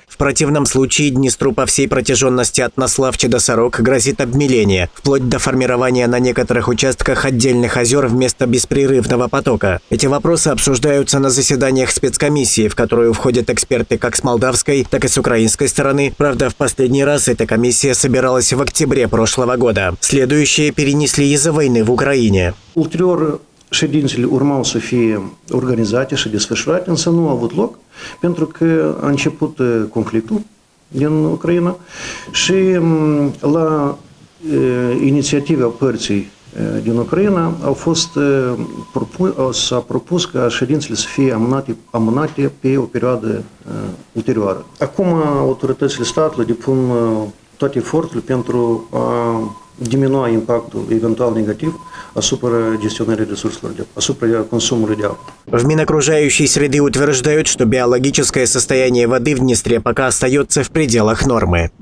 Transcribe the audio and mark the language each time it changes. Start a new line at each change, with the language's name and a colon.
Russian: В противном случае Днестру по всей протяженности от Наславча до Сорок грозит обмеление, вплоть до формирования на некоторых участках отдельных озер вместо беспрерывного потока. Эти вопросы обсуждаются на заседаниях спецкомиссии, в которую входят эксперты как с молдавской, так и с украинской стороны. Правда, в последний раз эта комиссия собиралась в октябре прошлого года. Следующие перенесли из-за войны в Украине.
Romanian: Ședințele urmau să fie organizate și desfășurate, însă nu au avut loc, pentru că a început conflictul din Ucraina și la inițiativa părții din Ucraina s-a propus ca ședințele să fie amânate pe o perioadă ulterioară. Acum autoritățile statului depun toate eforturile pentru a diminua impactul eventual negativ asupra gestionării resurselor de apă, asupra consumului de apă.
Russian: В Минокружающей среды утверждают, что биологическое состояние воды в Днестре пока остается в пределах нормы.